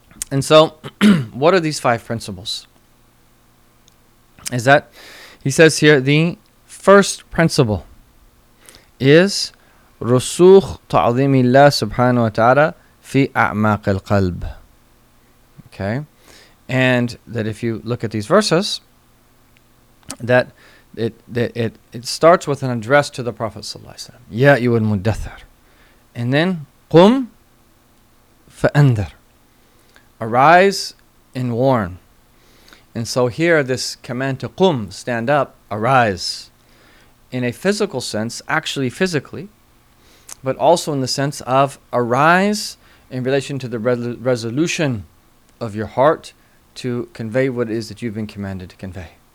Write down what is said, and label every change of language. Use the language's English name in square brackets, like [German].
[English] And so, what are these five principles? Is that, he says here, the first principle is [Arabic] رسوخ تعظيم الله سبحانه وتعالى في أعماق القلب. [English] Okay, and that if you look at these verses, that it starts with an address to the Prophet sallallahu alaihi wasallam. Ya [Arabic] أيها المدثر, [English] and then [Arabic] قم فأنذر, [English] arise and warn. And so here, this command to qum, stand up, arise, in a physical sense, actually physically, but also in the sense of arise in relation to the resolution of your heart to convey what it is that you've been commanded to convey.